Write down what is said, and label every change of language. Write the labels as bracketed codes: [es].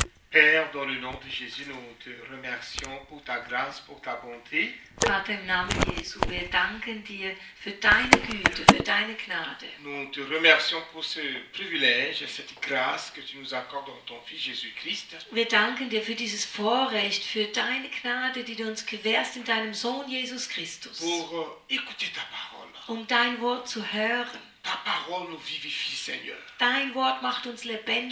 [fr] Père, dans le nom de Jésus, nous te remercions pour ta grâce, pour ta bonté. [de] Vater im Namen Jesu, wir danken dir für deine Güte, für deine Gnade. [fr] Nous te remercions pour ce privilège et cette grâce que tu nous accordes en ton Fils Jésus-Christ. [de] Wir danken dir für dieses Vorrecht, für deine Gnade, die du uns gewährst in deinem Sohn Jesus Christus. [fr] Pour écouter ta parole. [de] Um dein Wort zu hören. [fr] Ta parole nous vivifie, Seigneur. [de] Dein Wort macht uns lebendig.